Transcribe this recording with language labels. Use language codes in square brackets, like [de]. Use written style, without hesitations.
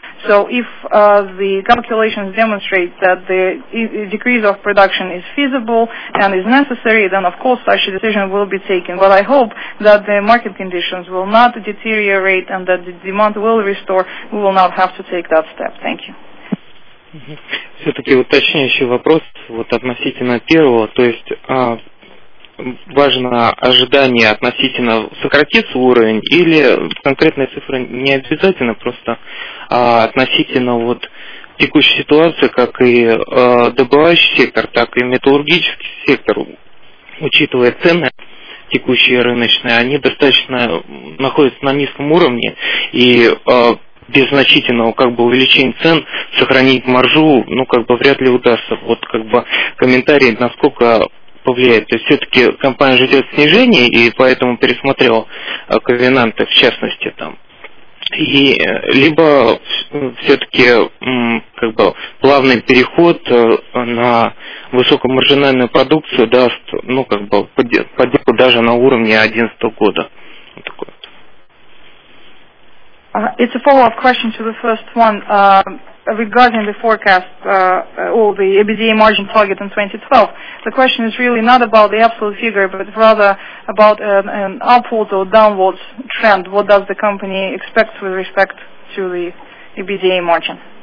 [en] So if the calculations demonstrate that the decrease of production is feasible and is necessary, then of course such a decision will be taken. But I hope that the market conditions will not deteriorate and that the demand will restore. We will not have to take that step. Thank you. [ru] Все-таки уточняющий вопрос вот относительно первого, то есть важно ожидание относительно сократиться уровень или конкретные цифры не обязательно, просто относительно вот текущей ситуации, как и добывающий сектор, так и металлургический сектор, учитывая цены текущие рыночные, они достаточно находятся на низком уровне, и без значительного как бы увеличения цен сохранить маржу, ну как бы вряд ли удастся. Вот как бы комментарий, насколько повлияет. То есть все-таки компания ждет снижения, и поэтому пересмотрела ковенанты, в частности, там. И либо все-таки как бы плавный переход на высокомаржинальную продукцию даст, ну, как бы, поддержку даже на уровне 2011 года. Вот такое. [en] It's a follow-up question to the first one regarding the forecast or the EBITDA margin target in 2012. The question is really not about the absolute figure, but rather about an upward or downward trend. What does the company expect with respect to the EBITDA margin?